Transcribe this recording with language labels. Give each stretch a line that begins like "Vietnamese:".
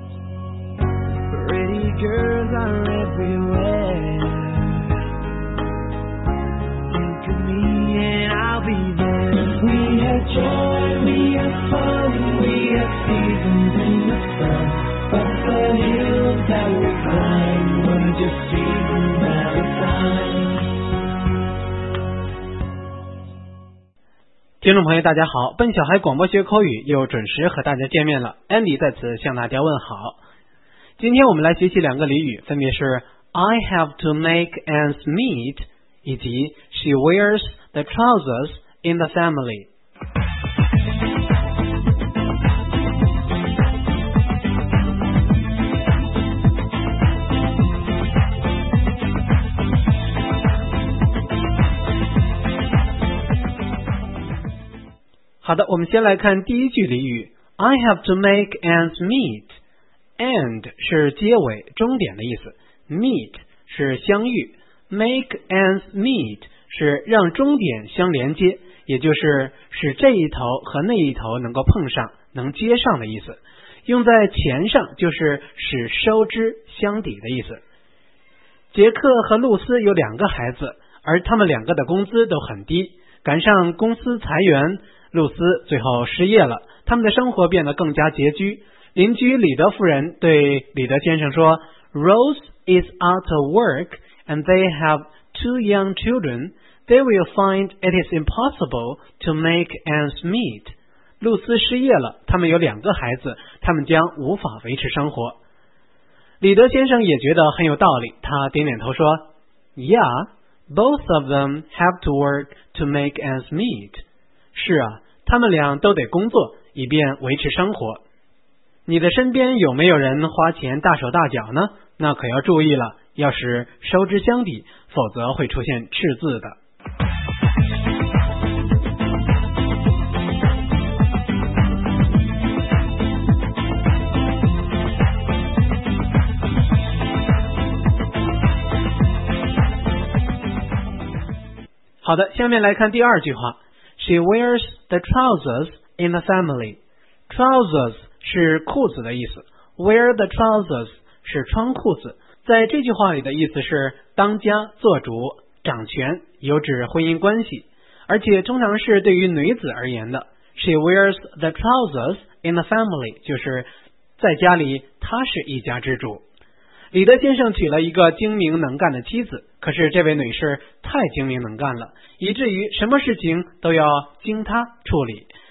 English: Think of me and I'll be there. We have joy, we have fun, we have seasons in the sun. But the hills that we climb were just seasons out of time.
Chinese: 听众朋友大家好，笨小孩广播学口语又准时和大家见面了， Andy 在此向大家问好。今天我们来学习两个俚语，分别是 I have to make ends meet 以及
English: She wears the trousers in the family。
Chinese: 好的，我们先来看第一句俚语，
English: I have to make ends meet。
Chinese: End 是结尾终点的意思， meet 是相遇， make ends meet 是让终点相连接，也就是使这一头和那一头能够碰上，能接上的意思，用在钱上就是使收支相抵的意思。杰克和露丝有两个孩子，而他们两个的工资都很低，赶上公司裁员，露丝最后失业了，他们的生活变得更加拮据。邻居李德夫人对李德先生说，
English: Rose is out of work and they have two young children. They will find it is impossible to make ends meet.
Chinese: 露丝失业了，他们有两个孩子，他们将无法维持生活。李德先生也觉得很有道理，他点点头说，
English: Yeah, both of them have to work to make ends meet.
Chinese: 是啊，他们俩都得工作以便维持生活。你的身边有没有人花钱大手大脚呢？那可要注意了，要是收支相抵，否则会出现赤字的。好的，下面来看第二句话，
English: She wears the trousers in the family.
Chinese: Trousers 是裤子的意思， wear the trousers 是穿裤子，在这句话里的意思是当家做主掌权，有指婚姻关系，而且通常是对于女子而言的。
English: She wears the trousers in the family
Chinese: 就是在家里她是一家之主。李德先生娶了一个精明能干的妻子，可是这位女士太精明能干了，以至于什么事情都要经她处理。